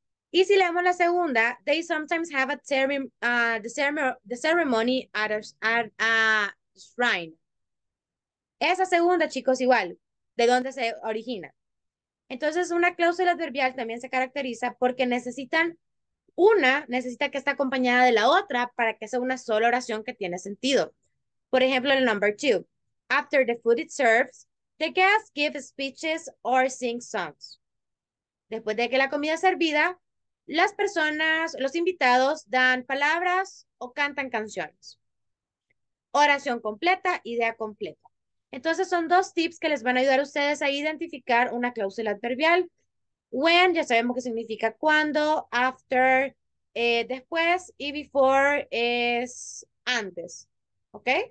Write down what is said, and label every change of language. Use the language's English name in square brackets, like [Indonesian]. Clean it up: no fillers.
[Spanish] Y si leemos la segunda, [English] they sometimes have a the ceremony at a shrine. [Spanish] Esa segunda, chicos, igual, ¿de dónde se origina? Entonces, una cláusula adverbial también se caracteriza porque necesita que esté acompañada de la otra para que sea una sola oración que tiene sentido. Por ejemplo, el number two. [English] After the food it serves, the guests give speeches or sing songs. [Spanish] Después de que la comida es servida, las personas, los invitados, dan palabras o cantan canciones. Oración completa, idea completa. Entonces, son dos tips que les van a ayudar a ustedes a identificar una cláusula adverbial. When, ya sabemos qué significa cuando, after, después, y before es antes, ¿ok?